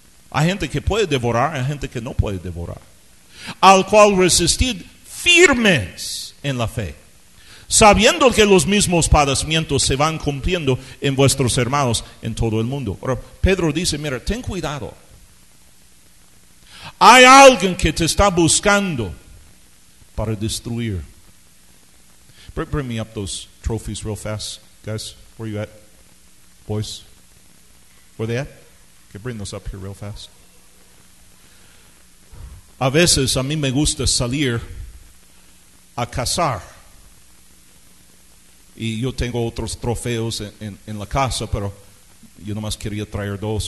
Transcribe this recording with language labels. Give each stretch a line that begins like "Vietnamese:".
Spanish: Hay gente que puede devorar, hay gente que no puede devorar. Al cual resistid firmes en la fe, sabiendo que los mismos padecimientos se van cumpliendo en vuestros hermanos en todo el mundo. Ahora, Pedro dice, mira, ten cuidado. Hay alguien que te está buscando para destruir.
English: Bring me up those trophies real fast, guys. Where you at? Boys? Where they at? Okay, bring those up here real fast.
Spanish: A veces a mí me gusta salir a cazar. Y yo tengo otros trofeos en la casa, pero yo nomás quería traer dos.